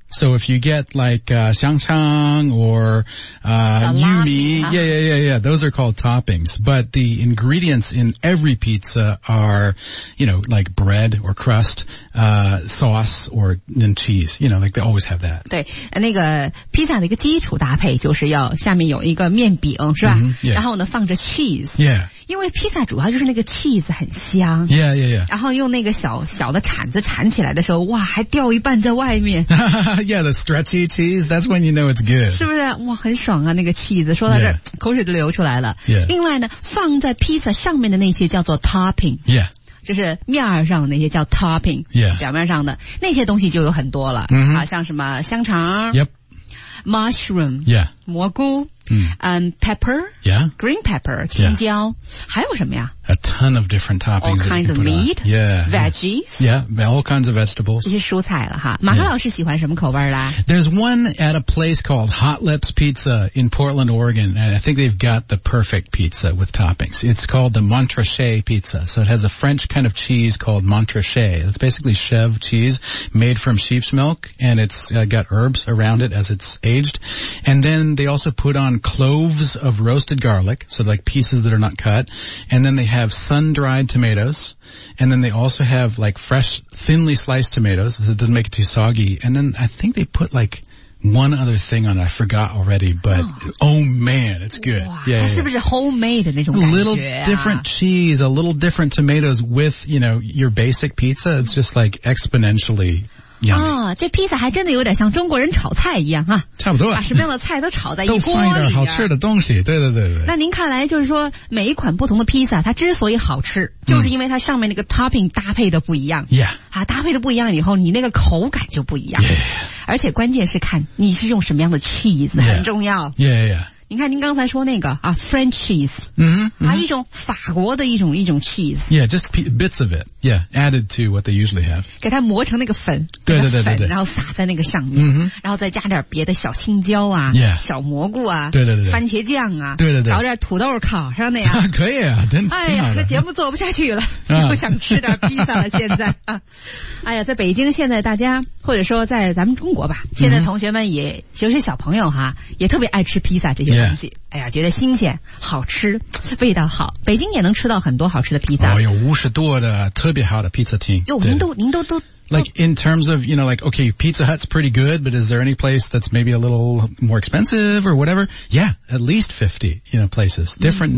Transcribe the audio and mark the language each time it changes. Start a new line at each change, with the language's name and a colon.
English: So if you get like, 香肠 or, 玉米, yeah, those are called toppings. But the ingredients in every pizza are, you know, like bread or crust, sauce or and cheese, you know, like they always have that.
Chinese: 对，那个披萨的一个基础搭配就是要下面有一个面饼，是吧？
English: Mm-hmm, yeah.
Chinese: 然后呢，放着 cheese.
English: Yeah.
Chinese: 因为披萨主要就是那个 cheese 很香
English: yeah.
Chinese: 然后用那个小小的铲子铲起来的时候哇还掉一半在外面
English: yeah, the stretchy cheese, that's when you know it's good.
Chinese: 是不是？哇，很爽啊，那个 cheese, 说到这儿、yeah. 口水都流出来了。
English: Yeah.
Chinese: 另外呢，放在 pizza 上面的那些叫做 topping。
English: Yeah.
Chinese: 就是面上的那些叫 topping、
English: yeah.
Chinese: 表面上的那些东西就有很多了、
English: mm-hmm.
Chinese: 啊、像什么香肠、
English: yep. mushroom、 yeah.
Chinese: 蘑菇、pepper、
English: yeah. green pepper 青椒、 yeah.
Chinese: 还有什么呀
English: a ton of different toppings all kinds of meat yeah, veggies yeah, all kinds of vegetables
Chinese: 这些蔬菜了哈马克老师喜欢什么口味啦、yeah.
English: There's one at a place called Hot Lips Pizza in Portland, Oregon and I think they've got the perfect pizza with toppings It's called the Montrachet Pizza So it has a French kind of cheese called Montrachet It's basically chev cheese made from sheep's milk and it's、got herbs around it as it's aged and then they also put oncloves of roasted garlic, so like pieces that are not cut, and then they have sun-dried tomatoes, and then they also have like fresh, thinly sliced tomatoes, so it doesn't make it too soggy, and then I think they put like... One other thing on it, I forgot already, but oh man, it's good. Wow, yeah, yeah, yeah.
Chinese: 它是不是 homemade 的那种感
English: 觉啊? A little different cheese, a little different tomatoes with, you know, your basic pizza. It's just like exponentially yummy.
Chinese: 哦，这披萨还真的有点像中国人炒菜一样啊。差不多。把什么样的菜都炒在一锅里啊。都放一点好吃的东西，对对对对。那您看来就是说每一款不同的披萨它之所以好吃就是因为它上面那个 topping 搭配的不一样。
English: Yeah.
Chinese: 啊，搭配的不一样以后你那个口感就不一样。
English: Yeah.
Chinese: 而且关键是看你是用什么样的 cheese、
English: yeah.
Chinese: 很重要
English: yeah, yeah.
Chinese: 你看您刚才说那个啊 French cheese、
English: mm-hmm.
Chinese: 啊一种法国的一种 cheese
English: Yeah, just bits of it Yeah, added to what they usually have
Chinese: 给它磨成那个粉对对对对对然后撒在那个上面、
English: mm-hmm.
Chinese: 然后再加点别的小青椒啊、
English: yeah.
Chinese: 小蘑菇啊对对对对番茄酱啊对对对然后点土豆烤上的呀可以啊真哎呀这节目做不下去了就想吃点披萨了现在哎呀在北京现在大家或者说在咱们中国吧现在同学们也、
English: mm-hmm.
Chinese: 尤其小朋友哈也特别爱吃披萨这些东西、
English: yeah.
Chinese: 哎呀觉得新鲜好吃味道好北京也能吃到很多好吃的披萨、 oh, 有五十多的特别好的披萨厅哟您都
English: like in terms of you know like okay Pizza Hut's pretty good but is there any place that's maybe a little more expensive or whatever yeah at least 50 you know places different、mm-hmm.